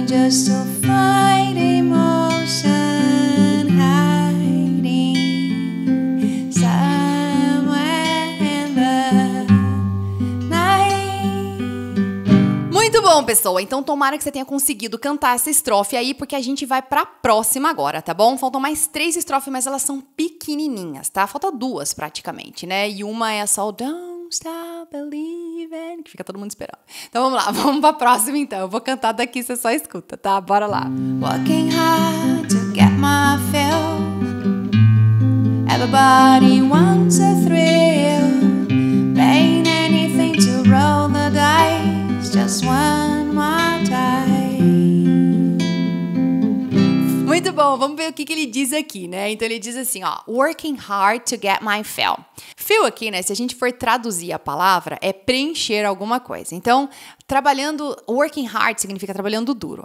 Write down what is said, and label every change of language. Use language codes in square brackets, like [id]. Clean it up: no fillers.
[en] So fight emotion hiding somewhere in the night. [pt] Muito bom, pessoal. Então, tomara que você tenha conseguido cantar essa estrofe aí, porque a gente vai pra próxima agora, tá bom? Faltam mais 3 estrofes, mas elas são pequenininhas, tá? Falta 2 praticamente, né? E uma é só o [en] don't stop believing, [pt] que fica todo mundo esperando. Então vamos lá, vamos pra próxima então. Eu vou cantar daqui, você só escuta, tá? Bora lá. [en] Working hard to get my fill. Everybody wants a thrill. Paying anything to roll the dice. Just one more time. [pt] Muito bom, vamos ver o que ele diz aqui, né? Então ele diz assim, ó. [en] Working hard to get my fill. [pt] Fill aqui, né? Se a gente for traduzir a palavra, é preencher alguma coisa. Então, trabalhando, [en] working hard [pt] significa trabalhando duro.